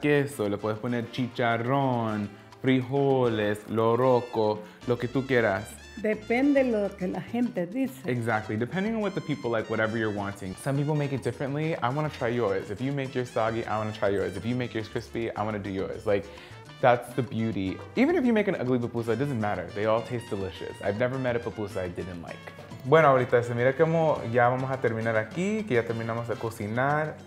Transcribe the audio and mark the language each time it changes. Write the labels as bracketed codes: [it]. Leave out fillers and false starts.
[es] Queso, le puedes poner chicharrón, frijoles, loroco, lo que tú quieras. Depende lo que la gente dice. [en] Exactly, depending on what the people like, whatever you're wanting. Some people make it differently, I wanna try yours. If you make yours soggy, I wanna try yours. If you make yours crispy, I wanna do yours. Like, that's the beauty. Even if you make an ugly pupusa, it doesn't matter. They all taste delicious. I've never met a pupusa I didn't like. [es] Bueno, ahorita se mira como ya vamos a terminar aquí, que ya terminamos de cocinar.